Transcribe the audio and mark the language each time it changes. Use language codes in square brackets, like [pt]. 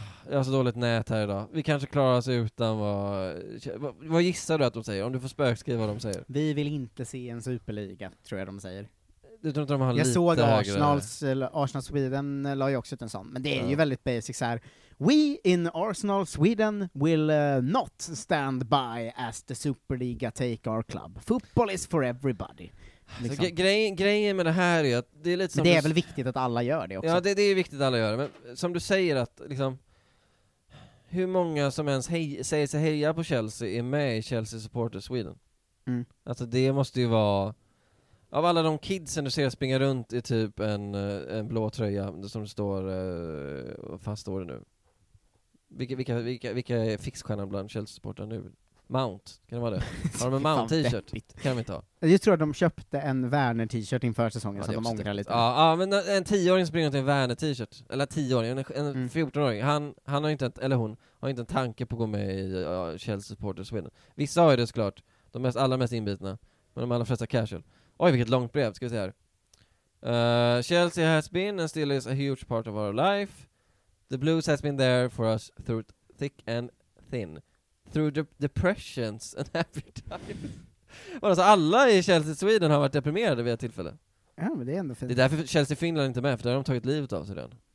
[sv] Jag har så dåligt nät här idag. Vi kanske klarar oss utan vad gissar du att de säger? Om du får spökskriva vad de säger. Vi vill inte se en superliga, tror jag de säger. Du tror inte de har jag lite såg Arsenal Sweden la ju också ut en sån. Men det är ju väldigt basic så här. [en] We in Arsenal Sweden will not stand by as the superliga take our club. Football is for everybody. [sv] Liksom. Grejen med det här är att det är lite som men det är väl viktigt att alla gör det också. Ja, det är viktigt att alla gör det. Men som du säger att liksom hur många som ens säger sig heja på Chelsea är med i Chelsea Supporters Sweden. Mm. Alltså det måste ju vara av alla de kidsen du ser springa runt i typ en blå tröja som står fast står det nu. Vilka är fixstjärnan bland Chelsea supportrar nu? Mount, kan det vara det? Har de en Mount t-shirt? Kan de inte ha? Jag tror att de köpte en Werner t-shirt inför säsongen så att de ångrar lite. Ja, men en 10-åring springer till en Werner t-shirt. Eller 10-åring, en 14-åring. Han har inte, eller hon, har inte en tanke på att gå med i Chelsea Supporters Sweden. Vissa har ju det såklart, de allra mest inbitna. Men de allra flesta casual. Oj, vilket långt brev, ska vi se här. [en] Chelsea has been and still is a huge part of our life. The Blues has been there for us through thick and thin. Through depressions and happy times. [sv] Alltså, alla i Chelsea Sweden har varit deprimerade vid ett tillfälle. Ja, men det är ändå fint. Det är därför Chelsea Finland inte med, för där har de tagit livet av sig redan.